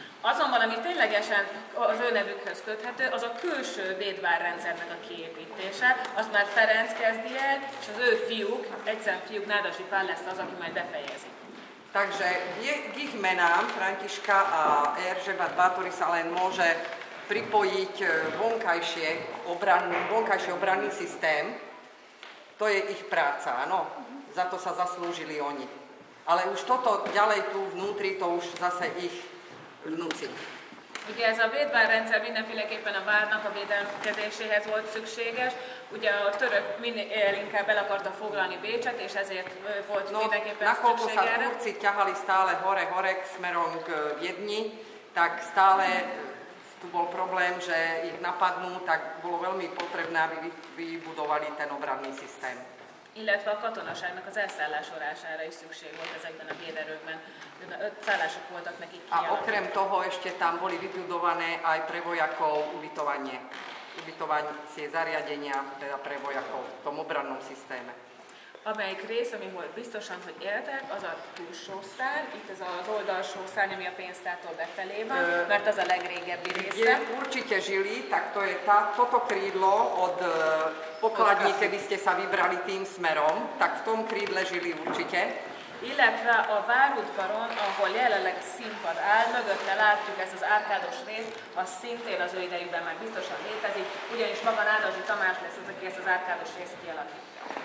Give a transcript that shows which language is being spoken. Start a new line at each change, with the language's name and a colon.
Hungarian: Azonban, ami ténylegesen az ő nevükhöz köthető, az a külső védvárrendszernek a kiépítése. Azt már Ferenc kezdi el, és az ő fiúk, egyszerűen fiúk, Nádasi Pál lesz az, aki majd befejezi.
Slovak: Takže k ich menám Františka a Erzsébet Báthory sa len môže pripojiť vonkajší obranný systém. To je ich práca, áno. Za to sa zaslúžili oni. Ale už toto ďalej tu vnútri, to už zase ich vnúci.
Hungarian: Ugye ez a védvárrendszer mindenféleképpen a várnak a védelkezéséhez volt szükséges. Ugye a török minél inkább el akarta foglalni Bécset, és ezért volt no, mindenképpen szükséges.
Slovak: Na kolko sa Turci ťahali stále hore smerom k Viedni, tak stále tu bol problém, že ich napadnú, tak bolo veľmi potrebné, aby vybudovali ten obranný systém.
Hungarian: Illetve a katonaságnak az elszállásolására is szükség volt ezekben a véderőkben. Szállások voltak nekik kialakítva.
Slovak: A okrem toho ešte tam boli vybudované aj pre vojakov ubytovacie zariadenia, teda pre vojakov v tom obrannom systéme.
Hungarian: Amelyik rész, amihol biztosan, hogy éltek, az a túlsó szár, itt ez az oldalsó szár, ami a pénztártól befelé van, mert az a legrégebbi része.
Slovak: Je, určite žili, tak to je toto krídlo od pokladní, keby ste sa vybrali tým smerom, tak v tom krídle žili určite.
Hungarian: illetve a várudvaron, ahol jelenleg a színpad áll, mögötte látjuk ezt az árkádos részt, az szintén az ő idejükben már biztosan létezik, ugyanis maga Nádasdy Tamás lesz az, aki ezt az árkádos részt kialakítja.